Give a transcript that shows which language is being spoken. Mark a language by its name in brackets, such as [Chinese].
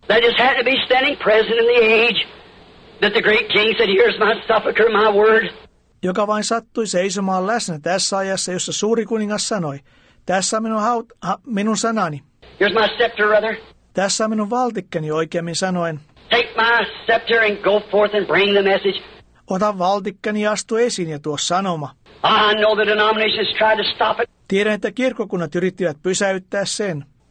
[English] That just had to be standing present in the age that the great king said, here's my sepulcher, my word. [Finnish] Joka vain sattui seisomaan läsnä tässä ajassa, jossa suuri kuningas sanoi, tässä on minun, minun sanani. [English] Here's my scepter, brother. [Finnish] Tässä on minun valtikkani, oikeammin sanoen. [English] Take my scepter and go forth and bring the message. [Finnish] Ota valtikkani, astu esiin ja tuo sanoma. [English] I know the denominations tried to stop it. [Finnish] Tiedän, että kirkkokunnat yrittivät pysäyttää sen.